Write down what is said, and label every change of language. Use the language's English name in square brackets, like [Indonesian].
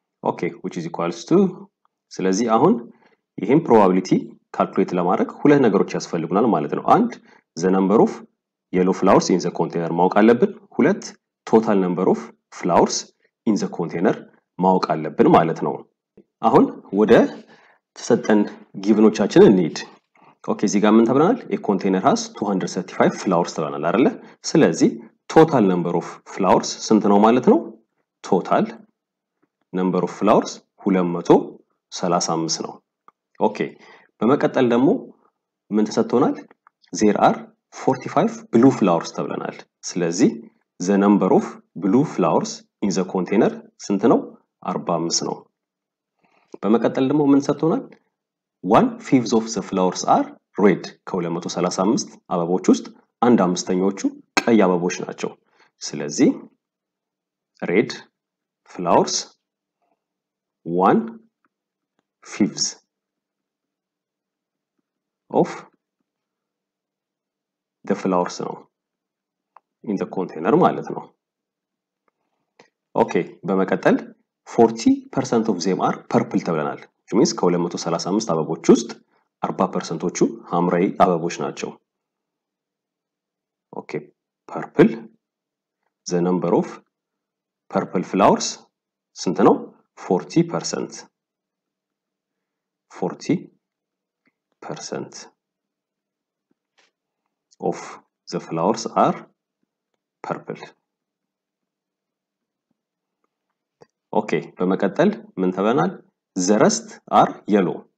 [Amharic] ኦኬ [English] which is equals to [Amharic] ስለዚህ አሁን ይሄን [English] probability calculate [Amharic] ለማድረግ ሁለት ነገሮች ያስፈልጉናል ማለት ነው። አንድ [English] the number of yellow flowers in the container [Amharic] ማወቅ አለብን። ሁለት [English] total number of flowers in the container [Amharic] ማወቅ አለብን ማለት ነው። አሁን ወደ ተሰጠን ጊቭኖቻችን እንሂድ። ኦኬ እዚህ ጋር ምን ተብለናል? [English] a container has 235 flowers [Amharic] ተብለናል አይደለ? ስለዚህ [English] total number of flowers [Amharic] ስንት ነው ማለት ነው? [English] total number of flowers [Amharic] 235 ነው። ኦኬ በመቀጠል ደግሞ ምን ተሰጥቶናል? [English] there are 45 blue flowers [Amharic] ተብለናል። ስለዚህ [English] the number of blue flowers in the container [Amharic] ስንት ነው? 45 ነው። በመቀጠል ደግሞ ምን ሰጥቶናል? [English] 1/5 of the flowers are red. [Amharic] ከ235 አበቦች ውስጥ 1/5ኞቹ ቀይ አበቦች ናቸው። ስለዚህ [English] red flowers [Amharic] 1/5 [English] of the flowers now in the container [Amharic] ማለት ነው። ኦኬ በመቀጠል [English] 40% of them are purple [Amharic] ተብለናል። [English] which means [Amharic] ከ235 አበቦች ውስጥ 40%ዎቹ ሐምራዊ አበቦች ናቸው። ኦኬ [English] purple the number of purple flowers [Amharic] ስንት ነው? [English] 40% 40% of the flowers are purple. [Amharic] ኦኬ በመቀጠል ምን ተበናል? [English] The rest are yellow.